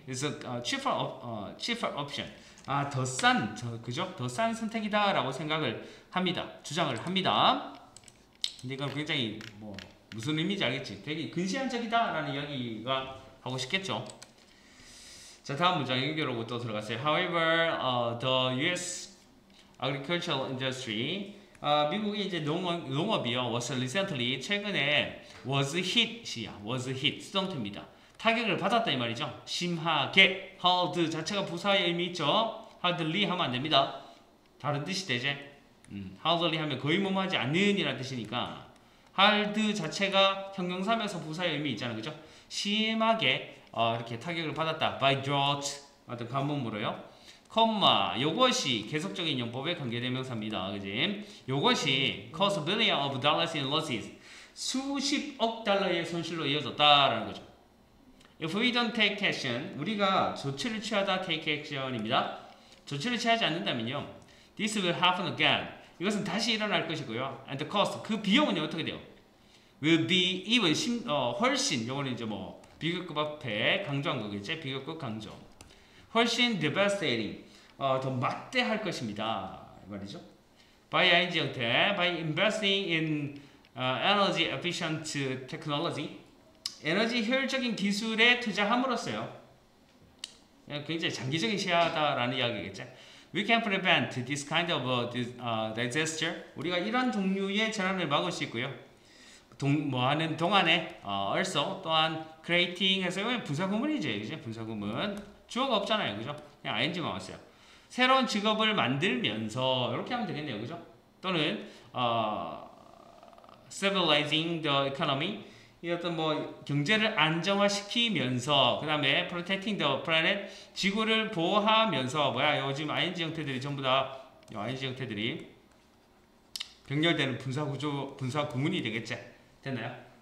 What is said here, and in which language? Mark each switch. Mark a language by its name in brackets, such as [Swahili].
[English] It's a cheaper option. [Korean] 더 싼 선택이다 라고 생각을 합니다. 주장을 합니다. 근데 이건 굉장히 뭐 무슨 의미인지 알겠지. 되게 근시안적이다 라는 이야기가 하고 싶겠죠. 자, 다음 문장 연결하고 또 들어갔어요. [English] However, the US agricultural industry, [Korean] 미국의 이제 농업이요. [English] Was recently, [Korean] 최근에 [English] was hit, 수동태입니다. [Korean] 타격을 받았다 이 말이죠. 심하게, hard 자체가 부사의 의미 있죠. hardly 하면 안 됩니다. 다른 뜻이 되지. hardly 하면 거의 뭐하지 않는 이란 뜻이니까. hard 자체가 형용사면서 부사의 의미 있잖아, 그죠? 심하게 이렇게 타격을 받았다. by drought 어떤 가뭄으로요. comma 이것이 계속적인 용법의 관계대명사입니다, 그지? [English] 이것이 cost billion of dollars in losses. [Korean] 수십억 달러의 손실로 이어졌다라는 거죠. [English] If we don't take action, [Korean] 우리가 조치를 취하다 [English] take action입니다. [Korean] 조치를 취하지 않는다면요, [English] this will happen again. [Korean] 이것은 다시 일어날 것이고요. [English] And the cost, [Korean] 그 비용은 어떻게 돼요? [English] Will be even [Korean] 훨씬, 이거는 이제 뭐 비교급 앞에 강조한 거겠지? 비교급 강조. 훨씬 devastating, 더 막대할 것입니다. 말이죠. [English] By ING 형태, by investing in energy efficient technology, [Korean] 에너지 효율적인 기술에 투자함으로써요. 굉장히 장기적인 시야다라는 이야기겠죠. [English] We can prevent this kind of disaster. [Korean] 우리가 이런 종류의 재난을 막을 수 있고요. 뭐하는 동안에 also 또한 creating 해서 부사구문이죠. 이제 부사구문 주어가 없잖아요. 그죠? 그냥 ing만 왔어요. 새로운 직업을 만들면서 이렇게 하면 되겠네요. 그죠? 또는 [English] civilizing the economy [Korean] 이 어떤 뭐 경제를 안정화시키면서 그 다음에 [English] protecting the planet [Korean] 지구를 보호하면서 뭐야 요즘 ing 형태들이 전부 다 요 ing 형태들이 병렬되는 분사구조 분사구문이 되겠지 됐나요?